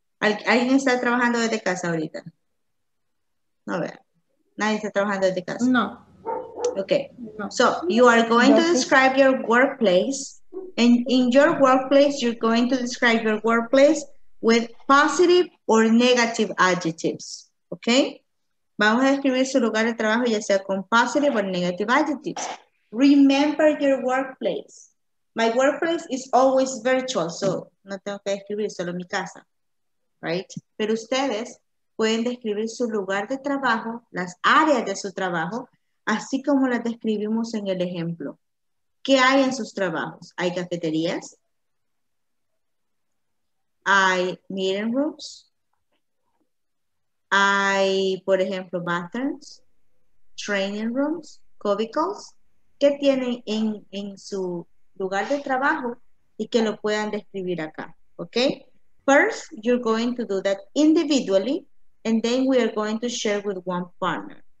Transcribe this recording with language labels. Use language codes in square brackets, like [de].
[es] ¿Alguien está trabajando desde casa ahorita? No, vea. Nadie está trabajando desde casa. No. Okay. No. [en] So you are going to describe your workplace, and in your workplace, you're going to describe your workplace with positive or negative adjectives, okay? [es] Vamos a describir su lugar de trabajo, ya sea con [en] positive or negative adjectives. Remember your workplace. My workplace is always virtual, so [es] no tengo que describir, solo mi casa. [en] Right? [es] Pero ustedes pueden describir su lugar de trabajo, las áreas de su trabajo, así como las describimos en el ejemplo. ¿Qué hay en sus trabajos? ¿Hay cafeterías? ¿Hay meeting rooms? Hay, por ejemplo, bathrooms, training rooms, cubicles. ¿Qué tienen en su lugar de trabajo y que lo puedan describir acá? ¿Ok? [en] First, you're going to do that individually, and then we are going to share with one partner.